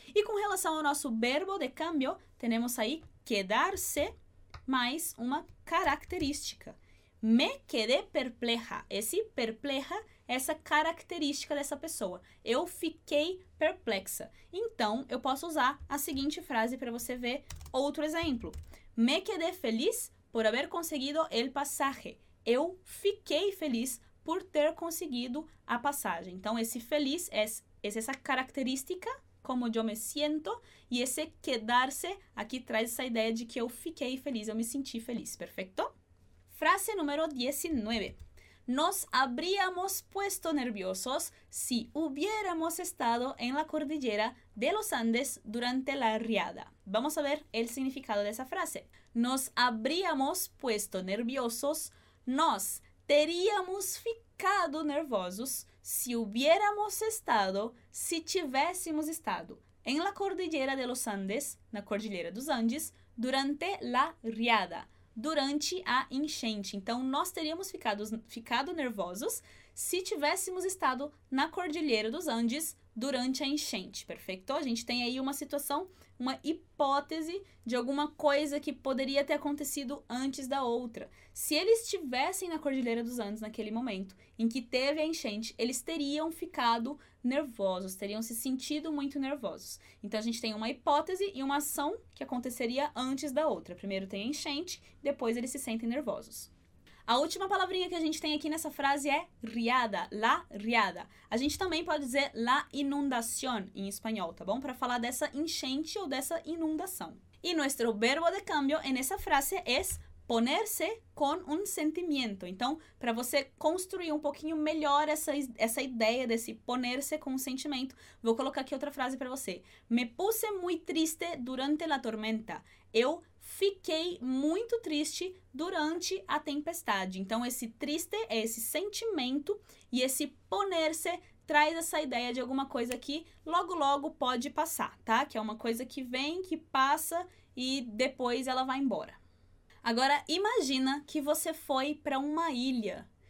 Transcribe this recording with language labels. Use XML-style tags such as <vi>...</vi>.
<pt>E com relação ao nosso verbo de cambio, temos aí quedarse mais uma característica.</pt> <es>Me quedé perpleja.</es> <pt>Esse perpleja é essa característica dessa pessoa. Eu fiquei perplexa. Então, eu posso usar a seguinte frase para você ver outro exemplo.</pt> <es>Me quedé feliz por haber conseguido el pasaje.</es> <pt>Eu fiquei feliz por ter conseguido a passagem. Então, esse feliz é essa característica,</pt> <es>como yo me siento,</es> <pt>e esse quedarse aqui traz essa ideia de que eu fiquei feliz, eu me senti feliz, perfeito? Frase número 19.</pt> <es>Nos habríamos puesto nerviosos si hubiéramos estado en la cordillera de los Andes durante la riada. Vamos a ver el significado de esa frase. Nos habríamos puesto nerviosos,</es> <pt>nos teríamos ficado nervosos</pt> <es>si hubiéramos estado,</es> <pt>si tivéssemos estado</pt> <es>en la cordillera de los Andes,</es> <pt>na cordilheira dos Andes,</pt> <es>durante la riada.</es> <pt>Durante a enchente. Então, nós teríamos ficado nervosos se tivéssemos estado na Cordilheira dos Andes durante a enchente, perfeito? A gente tem aí uma situação, uma hipótese de alguma coisa que poderia ter acontecido antes da outra. Se eles estivessem na Cordilheira dos Andes naquele momento em que teve a enchente, eles teriam ficado nervosos, teriam se sentido muito nervosos. Então, a gente tem uma hipótese e uma ação que aconteceria antes da outra. Primeiro tem a enchente, depois eles se sentem nervosos. A última palavrinha que a gente tem aqui nessa frase é riada, la riada. A gente também pode dizer la inundación em espanhol, tá bom? Para falar dessa enchente ou dessa inundação.</pt> <es>E nuestro verbo de cambio en esa frase es ponerse con un sentimiento.</es> <pt>Então, para você construir um pouquinho melhor essa ideia desse ponerse com um sentimento, vou colocar aquí outra frase para você.</pt> <es>Me puse muy triste durante la tormenta.</es> <pt>Eu fiquei muito triste durante a tempestade. Então, esse triste é esse sentimento e esse ponerse traz essa ideia de alguma coisa que logo, logo pode passar, tá? Que é uma coisa que vem, que passa e depois ela vai embora. Agora, imagina que você foi para uma ilha</pt>